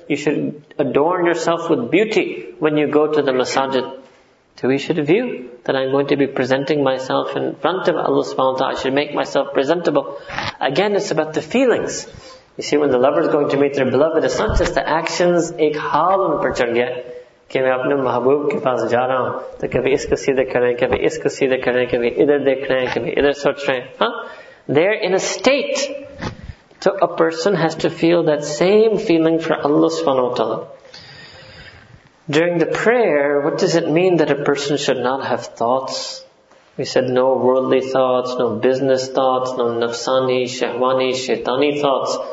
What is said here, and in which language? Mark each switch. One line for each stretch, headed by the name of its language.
English: You should adorn yourself with beauty when you go to the masajid. So we should view that I'm going to be presenting myself in front of Allah subhanahu wa ta'ala. I should make myself presentable. Again, it's about the feelings. You see, when the lover is going to meet their beloved, it's not just the actions.
Urdu: ایک حالوں پر چل گیا کہ میں اپنے محبوب کے پاس جا رہا ہوں، تو کبھی اسکو سیدھا کریں، کبھی اسکو سیدھا کریں، کبھی ادھر دیکھ رہے ہیں، کبھی ادھر سوچ رہے ہیں۔
English: They're in a state. So a person has to feel that same feeling for Allah subhanahu wa ta'ala. During the prayer, what does it mean that a person should not have thoughts? We said no worldly thoughts, no business thoughts, no nafsani, shahwani, shaitani thoughts.